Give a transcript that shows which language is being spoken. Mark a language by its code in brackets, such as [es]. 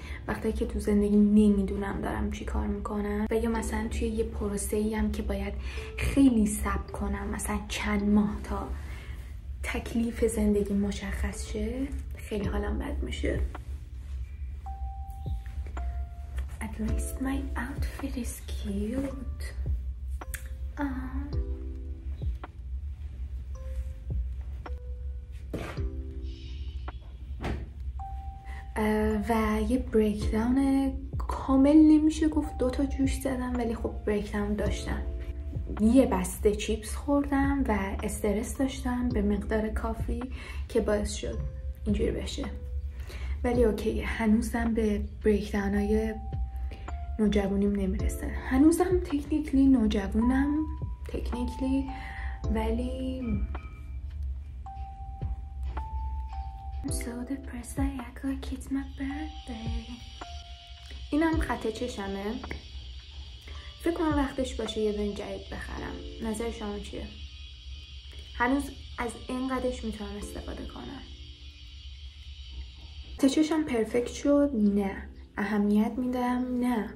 [fa] وقتی که تو زندگی نمیدونم دارم چی کار میکنم و یا مثلا توی یه پروسه ای هم که باید خیلی صبر کنم، مثلا چند ماه تا تکلیف زندگی مشخص شه، خیلی حالم بد میشه. [en] At least my outfit is cute. [fa] و یه بریکداون کامل نمیشه گفت، دوتا جوش زدم ولی خب بریکداون داشتم. یه بسته چیپس خوردم و استرس داشتم به مقدار کافی که باعث شد اینجوری بشه، ولی اوکی، هنوزم به بریکداون های نوجوانیم نمیرسه. هنوزم تکنیکلی نوجوانم تکنیکلی، ولی [en] I'm so depressed, I act like it's my birthday. [fa] اینم خط چشمه، فکر کنم وقتش باشه یه دونه جدید بخرم. نظر شما چیه؟ هنوز از این قدش میتونم استفاده کنم. خط چشم پرفکت شد؟ نه، اهمیت میدم؟ نه.